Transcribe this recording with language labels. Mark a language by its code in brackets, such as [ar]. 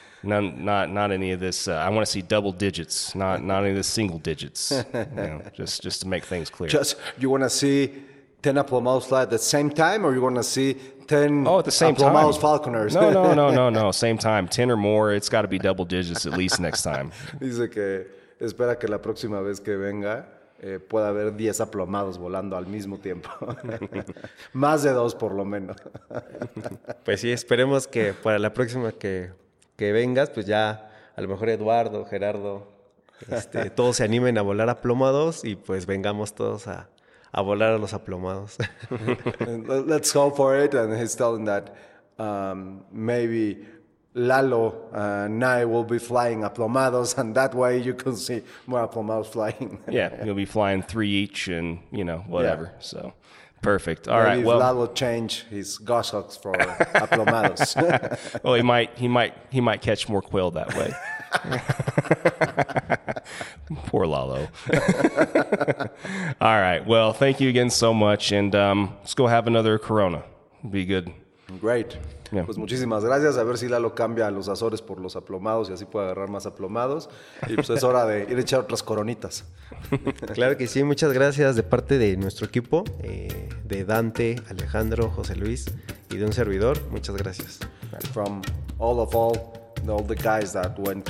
[en] Not any of this. I want to see double digits, not any of the single digits, you know, just to make things clear. Just you want to see 10 aplomados fly at the same time, or you want to see 10 aplomados falconers? No, same time. 10 or more, it's got to be double digits at least next time. [es] Dice que espera que la próxima vez que venga pueda haber 10 aplomados volando al mismo tiempo. Más de dos, por lo menos. Pues sí, esperemos que para la próxima que vengas, pues ya a lo mejor Eduardo, Gerardo, todos se animen a volar aplomados y pues vengamos todos a volar a los aplomados. [en] Let's hope for it. And he's telling that maybe Lalo and I will be flying aplomados, and that way you can see more aplomados flying. Yeah, you'll be flying three each and, you know, whatever. Yeah. So, perfect. All right. Maybe Lalo change his goshawks for aplomados. Well, he might catch more quail that way. Poor Lalo. All right. Well, thank you again so much. And let's go have another Corona. Be good. Great. Yeah. [es] Pues muchísimas gracias. A ver si Lalo cambia los Azores por los aplomados y así puede agarrar más aplomados. Y pues es hora de ir a echar otras coronitas. Claro que sí. Muchas gracias de parte de nuestro equipo, de Dante, Alejandro, José Luis y de un servidor. Muchas gracias. [en] From all the guys that went today to fly with us, thank you very much. It's been a pleasure.